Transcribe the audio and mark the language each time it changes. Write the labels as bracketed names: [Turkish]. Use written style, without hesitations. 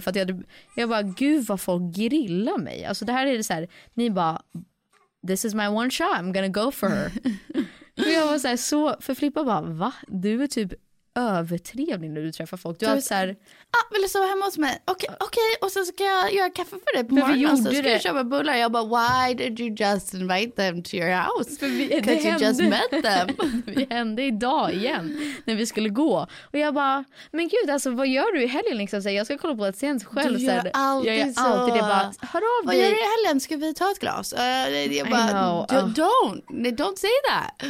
[Swedish] För att jag bara, gud vad folk grillar mig. Alltså det här är det så här, ni bara, [English] this is my one shot, I'm gonna go for her. [Swedish] För jag var så, för Filippa bara, va? Du är typ övertrevlig när du träffar folk. Du har så här, vill du sova hemma hos mig? Okej, och så ska jag göra kaffe för dig på morgonen. Vi gjorde det. Så ska jag köpa bullar. Jag bara, [English] why did you just invite them to your house? Because you just met them. [Swedish] Det hände idag igen, när vi skulle gå. Och jag bara, men gud, alltså, vad gör du i helgen? Liksom, så här, jag ska kolla på ett scen själv. Du gör så här, alltid så. Bara, hör av vad gör du i helgen? Ska vi ta ett glas? [English] Don't say that.